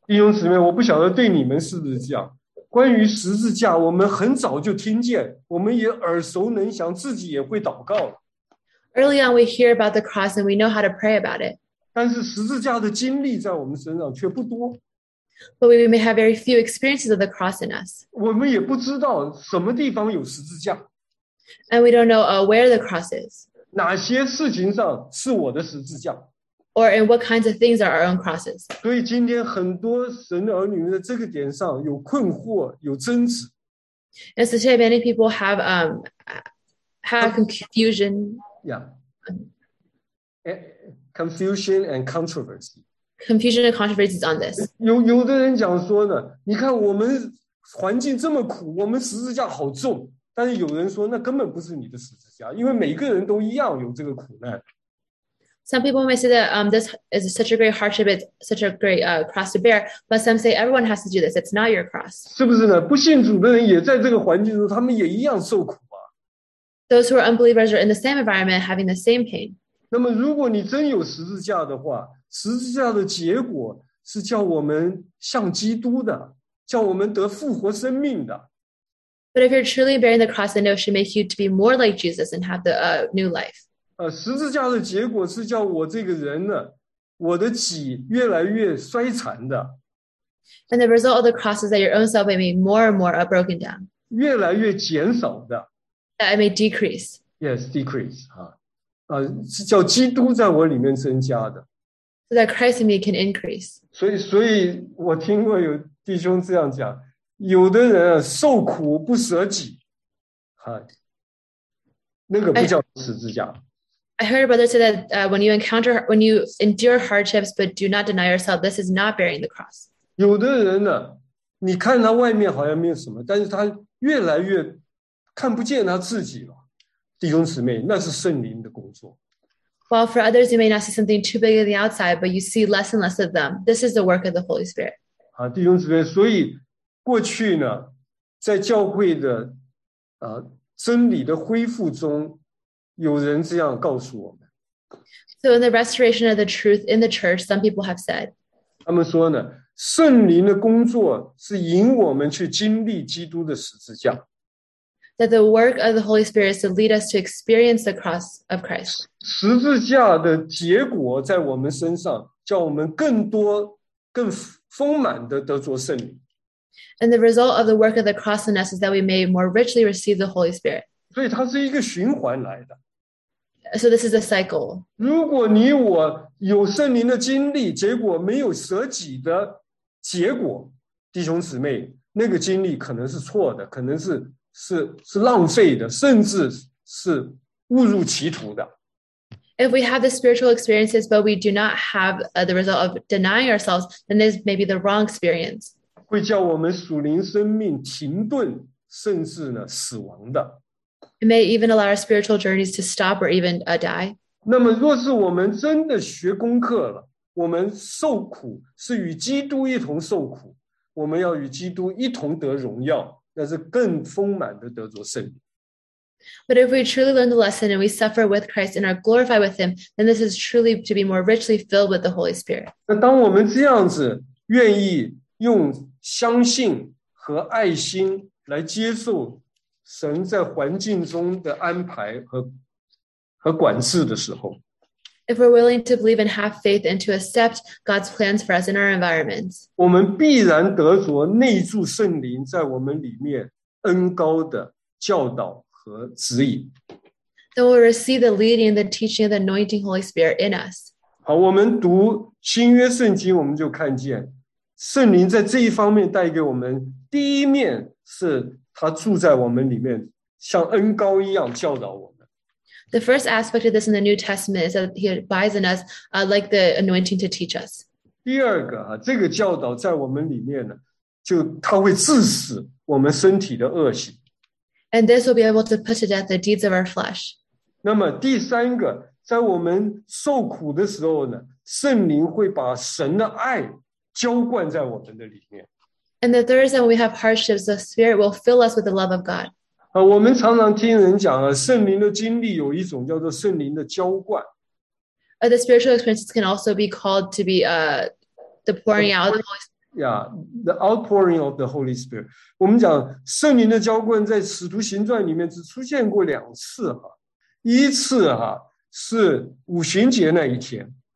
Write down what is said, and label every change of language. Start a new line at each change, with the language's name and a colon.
Chinese: 弟兄姊妹，我不晓得对你们是不是这样。关于十字架，我们很早就听见，我们也耳熟能详，自己也会祷告了。
English: Early on, we hear about the cross and we know how to pray about it.
Chinese: 但是十字架的经历在我们身上却不多。
English: But we may have very few experiences of the cross in us.
Chinese: 我们也不知道什么地方有十字架。
English: And we don't know where the cross is.
Chinese: 哪些事情上是我的十字架。
English: Or in what kinds of things are our own crosses.
Chinese: 所以今天很多神的儿女在这个点上有困惑，有争执。
English: And so today many people have, have confusion. Yeah. Confusion and controversy. Confusion and controversies on this.
Chinese: 有的人讲说呢，你看我们环境这么苦，我们十字架好重。但是有人说，那根本不是你的十字架，因为每个人都一样有这个苦难。
English: Some people may say that this is such a great hardship, it's such a great cross to bear. But some say everyone has to do this. It's not your cross.
Chinese: 是不是呢？不信主的人也在这个环境中，他们也一样受苦啊。
English: Those who are unbelievers are in the same environment, having the same pain.
Chinese: 那么，如果你真有十字架的话。十字架的结果是叫我们像基督的，叫我们得复活生命的。
English: But if you're truly bearing the cross, then it should make you to be more like Jesus and have the new life.
Chinese: 十字架的结果是叫我这个人呢，我的己越来越衰残的。
English: And the result of the cross is that your own self may be more and more broken down.
Chinese: 越来越减少的。
English: That it may decrease. Yes, decrease.
Chinese: 是叫基督在我里面增加的。
English: So that Christ in me can increase.
Chinese: 所以我听过有弟兄这样讲，有的人受苦不舍己，那个不叫十字架。
English: I heard a brother say that when you endure hardships but do not deny yourself, this is not bearing the cross.
Chinese: 有的人呢，你看他外面好像没有什么，但是他越来越看不见他自己了。弟兄姊妹，那是圣灵的工作。
English: While for others, you may not see something too big on the outside, but you see less and less of them. This is the work of the Holy Spirit.
Chinese: 弟兄姊妹，所以过去呢，在教会的真理的恢复中，有人这样告诉我们。
English: So in the restoration of the truth in the church, some people have said.
Chinese: 他们说呢，圣灵的工作是引我们去经历基督的十字架。
English: That the work of the Holy Spirit is to lead us to experience the cross of Christ.
Chinese: 十字架的结果在我们身上叫我们更多更丰满的得着圣灵。
English: And the result of the work of the cross in us is that we may more richly receive the Holy Spirit.
Chinese: 所以它是一个循环来的。
English: So this is a cycle.
Chinese: 如果你我有圣灵的经历，结果没有舍己的结果，弟兄姊妹，那个经历可能是错的，可能是浪费的，甚至是误入歧途的。
English: If we have the spiritual experiences, but we do not have the result of denying ourselves, then this may be the wrong experience.
Chinese: 会叫我们属灵生命停顿，甚至呢死亡的。
English: It may even allow our spiritual journeys to stop or even die.
Chinese: 那么若是我们真的学功课了，我们受苦是与基督一同受苦，我们要与基督一同得荣耀，那是更丰满的得着圣灵。
English: But if we truly learn the lesson and we suffer with Christ and are glorified with him, then this is truly to be more richly filled with the Holy Spirit.
Chinese: 那当我们这样子愿意用相信和爱心来接受神在环境中的安排 和管制的时候，
English: If we're willing to believe and have faith and to accept God's plans for us in our environments,
Chinese: 我们必然得着内住圣灵在我们里面恩膏的教导和指引。
English: Then we'll receive the leading, the teaching, the anointing Holy Spirit in us.
Chinese: 好，我们读新约圣经，我们就看见圣灵在这一方面带给我们第一面是他住在我们里面，像恩膏一样教导我们。
English: The first aspect of this in the New Testament is that he abides in us, like the anointing to teach us.
Chinese: 第二个啊，这个教导在我们里面呢，就他会致死我们身体的恶行。
English: And this will be able to put to death the deeds of our flesh.
Chinese: 那么第三个，在我们受苦的时候呢，圣灵会把神的爱浇灌在我们的里面。
English: And the third is that when we have hardships, the Spirit will fill us with the love of God.
Chinese: 我们常常听人讲啊，圣灵的经历有一种叫做圣灵的浇灌。
English: The spiritual experiences can also be called to be the pouring out of the Holy Spirit. Yeah, the outpouring of the Holy Spirit.
Chinese: 我们讲圣灵的浇灌在《使徒行传》里面只出现过两次哈，一次哈是五旬节那一天。